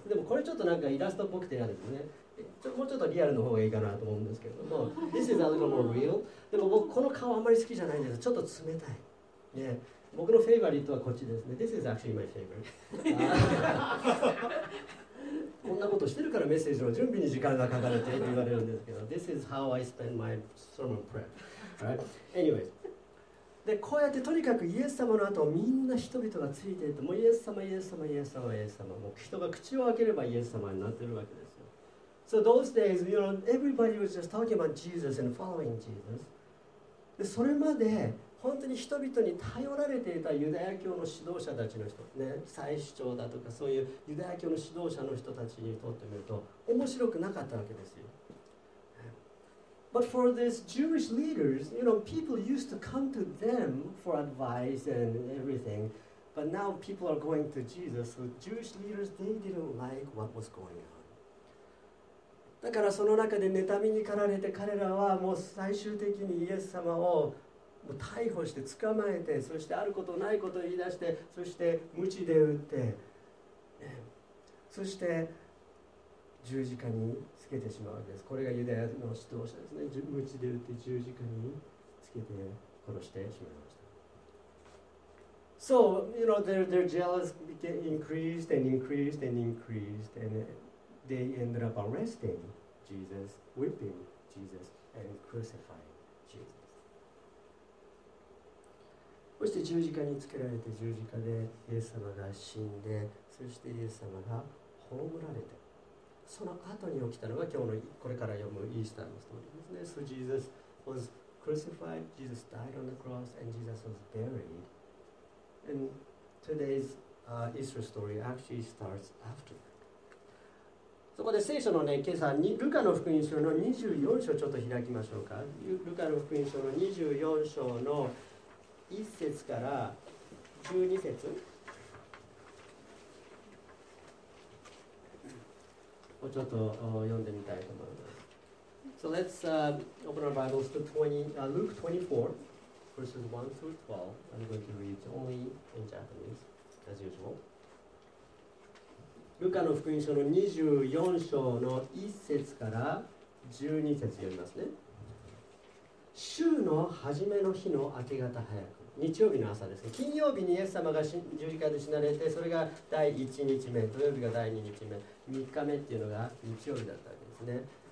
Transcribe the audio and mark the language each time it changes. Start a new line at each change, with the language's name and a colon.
Japanese: でもこれちょっとなんかイラストっぽくて嫌ですね。もうちょっとリアルの方がいいかなと思うんですけども、
English: This is a little more real.
Japanese: でも僕この顔あんまり好きじゃないんです。ちょっと冷たい、ね、僕のフェイバリットはこっちですね。
English: This is actually my favorite.
Japanese: こんなことしてるからメッセージの準備に時間がかかるって言われるんですけど、
English: This is how I spend my sermon prep. Right? Anyways.
Japanese: でこうやってとにかくイエス様の後をみんな人々がついていて、もうイエス様イエス様イエス様イエス様、もう人が口を開ければイエス様になってるわけですよ。
English: So those days, you know, everybody was just talking about Jesus and following Jesus.
Japanese: でそれまで本当に人々に頼られていたユダヤ教の指導者たちの人、ね、祭司長だとかそういうユダヤ教の指導者の人たちにとってみると面白くなかったわけですよ。
English: But for these Jewish leaders, you know, people used to come to them for advice and everything. But now people are going to Jesus. So Jewish leaders, they didn't like what was going on.
Japanese: だからその中で妬みに駆られて、彼らはもう最終的にイエス様をもう逮捕して捕まえて、そしてあることないことを言い出して、そして鞭で打って、ね、そして十字架につけてしまうわけです。これがユダヤの指導者ですね。鞭で打って十字架につけて殺してしまいました。
English: So, you know, their jealousy increased and increased and increased, and they ended up arresting Jesus, whipping Jesus, and crucifying Jesus.
Japanese: そして十字架につけられて、十字架でイエス様が死んで、そしてイエス様が葬られて、その後に起きたのが今日のこれから読むイースターのストーリーですね。
English: So Jesus was crucified, Jesus died on the cross, and Jesus was buried. And today's Easter story actually starts after that.
Japanese: そこで聖書のね、今朝ルカの福音書の24章をちょっと開きましょうか。ルカの福音書の24章の1節から12節。をちょっと読んでみたいと思います。
English: So let's open our Bibles to Luke 24, verses 1 through 12. I'm going to read only in Japanese, as usual.
Japanese: ルカの福音書の24章の1節から12節読みますね。週の初めの日の明け方早く、日曜日の朝ですね。金曜日にイエス様が十字架で死なれて、それが第1日目、土曜日が第2日目、3日目っていうのが日曜日だったわけですね。